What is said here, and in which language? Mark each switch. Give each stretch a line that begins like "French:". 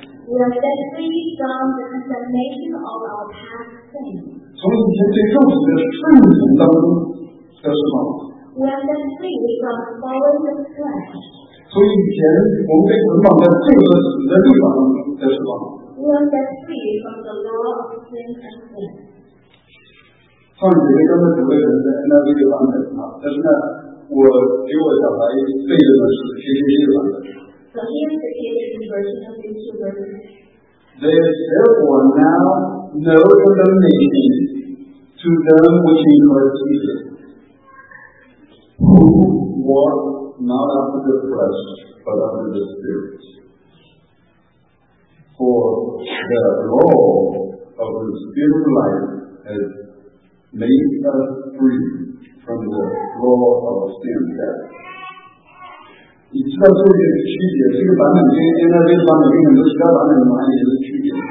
Chinese: 从以前对肉体的顺从当中得释放。从以前我们被捆绑在罪和死的律法中。
English: We are set free from the law of sin and death.
Chinese: 上节课刚才读的是 NIV 版本，但是呢，我给我小孩背的呢是 KJV 版本。
English: So here's the KJV version of these two verses. There is therefore now no condemnation to them which in Christ Jesus, who walk not after the flesh, but after the Spirit. For the law of the spirit of life has made us free from the law of sin and death.
Chinese: 你知道这个区别？这个版本跟现在这个版本跟很多其他版本哪里有区别？